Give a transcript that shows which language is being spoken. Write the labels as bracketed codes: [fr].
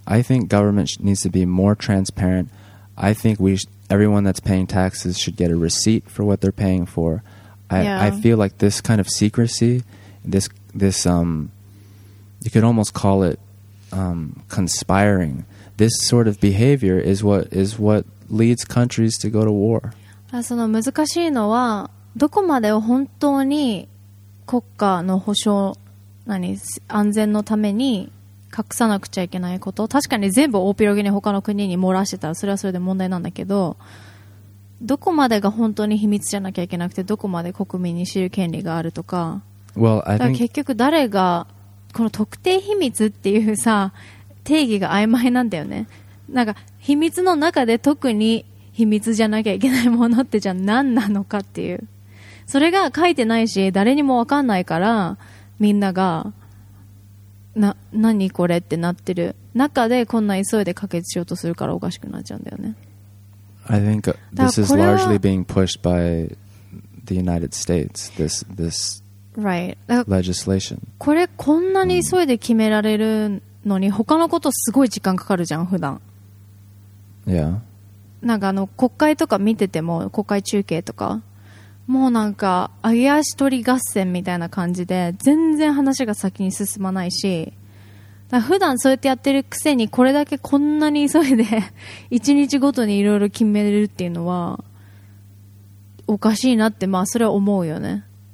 [en] I think government needs to be more transparent. I think everyone that's paying taxes should get a receipt for what they're paying for. I feel like this kind of secrecy, this, you could almost call it conspiring. This sort of behavior is what leads countries to go to war. [ja] その難しいのはどこまでを本当に国家の保障何安全のために隠さなくちゃいけないこと、確かに全部大広げに他の国に漏らしてたらそれはそれで問題なんだけど、どこまでが本当に秘密じゃなきゃいけなくて、どこまで国民に知る権利があるとか、 [en] well, I think [ja] だから結局誰がこの特定秘密っていうさ定義が曖昧なんだよね。なんか秘密の中で特に秘密じゃなきゃいけないものってじゃあ何なのかっていう、それが書いてないし誰にも分かんないから、みんながな何これってなってる中でこんな急いで可決しようとするからおかしくなっちゃうんだよね。 [en] I think this is largely being pushed by the United States, this legislation. [ja] これこんなに急いで決められるのに他のことすごい時間かかるじゃん普段。 [en] Yeah. [ja] なんかあの国会とか見てても、国会中継とかもうなんか揚げ足取り合戦みたいな感じで全然話が先に進まないし、だから普段そうやってやってるくせにこれだけこんなに急いで1日ごとにいろいろ決めれるっていうのはおかしいなって、まあそれは思うよね。